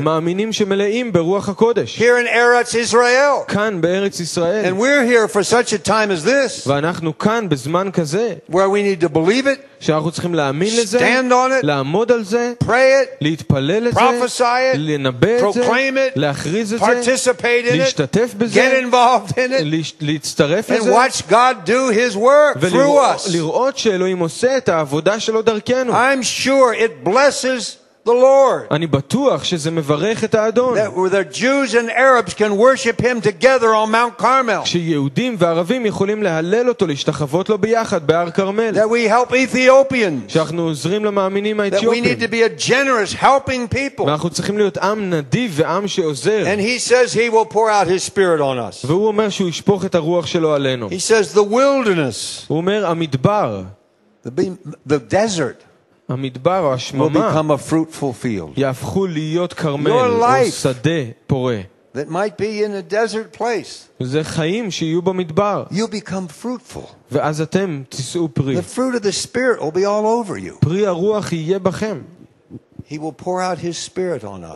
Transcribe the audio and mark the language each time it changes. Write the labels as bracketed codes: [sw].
[he] מאמינים שמלאים ברוח הקודש. [en] Here in Eretz Israel. [he] כאן בארץ ישראל. [en] And we're here for such a time as this. [he] ואנחנו כאן בזמן כזה. [en] Where we need to believe it. [he] שאנחנו צריכים להאמין לזה. [en] Stand on it. [he] לעמוד על זה. [en] Pray it. [he] להתפלל לזה. [en] Prophesy it. [he] לנבא את זה. [en] Proclaim it. [he] להכריז את זה. [en] Participate in it. [he] להשתתף בזה. [en] Get involved in it. [he] להצטרף לזה. [en] And watch God do his work through us. [he] לראות שאלוהים עושה את העבודה שלו דרכנו. [en] I'm sure it blesses the Lord. [he] אני בטוח שזה מברך את האדון. [en] The Jews and Arabs can worship him together on Mount Carmel. [he] שיהודים וערבים יכולים להלל אותו, להשתחוות לו ביחד בהר כרמל. [en] That we help Ethiopians. [he] שאנחנו עוזרים למאמינים האתיופים. [en] That we need to be a generous helping people. [he] ואנחנו צריכים להיות עם נדיב ועם שעוזר. [en] And he says he will pour out his spirit on us. [he] והוא אומר שהוא ישפוך את הרוח שלו עלינו. [en] He says the wilderness. [he] הוא אומר המדבר. [en] The desert. [he] המדבר או השממה [en] will become a fruitful field. [he] יהפכו להיות כרמל או שדה פורה. [en] That might be in a desert place. [he] זה חיים שיהיו במדבר. [en] You become fruitful. [he] ואז אתם תישאו פרי. [en] The fruit of the spirit will be all over you. [he] פרי הרוח יהיה בכם. [en] He will pour out his spirit on us.